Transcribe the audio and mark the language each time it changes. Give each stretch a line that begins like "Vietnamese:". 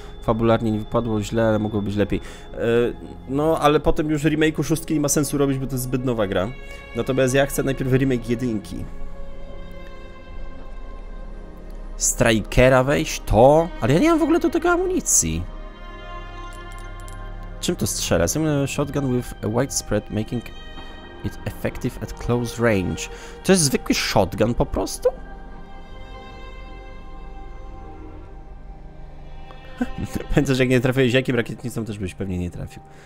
Polish: Fabularnie nie wypadło źle, ale mogło być lepiej. No, ale potem już remake'u szóstki nie ma sensu robić, bo to jest zbyt nowa gra. Natomiast ja chcę najpierw remake jedynki. Strikera wejść, to... Ale ja nie mam w ogóle do tego amunicji. Czym to strzela?
English: Shotgun with a widespread making... It's effective at close range.
Polish: To jest zwykły shotgun po prostu? Pamiętasz, jak nie trafiłeś, jakim rakietnicą też byś pewnie nie trafił.